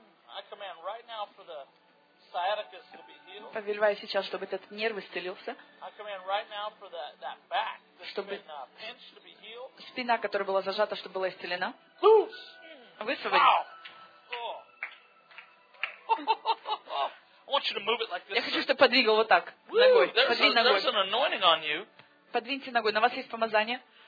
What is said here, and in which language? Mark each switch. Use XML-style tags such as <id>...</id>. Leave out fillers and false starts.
<en>I command right now for the sciaticus to be healed.</en> <ru>Повелеваю сейчас, чтобы этот нерв исцелился.</ru> <en>I command right now for that back,</en> <ru>чтобы</ru> <en>pinch to be healed.</en> <ru>Спина, которая была зажата, чтобы была исцелена.</ru> <en>Loose.</en> <ru>Высвободи.</ru> <en>Wow. I want you to move it like this.</en> <ru>Я хочу, чтобы подвигал вот так. Подвинь ногой.</ru> <en>There's an anointing on you.</en> <ru>Подвиньте ногой. На вас есть помазание.</ru>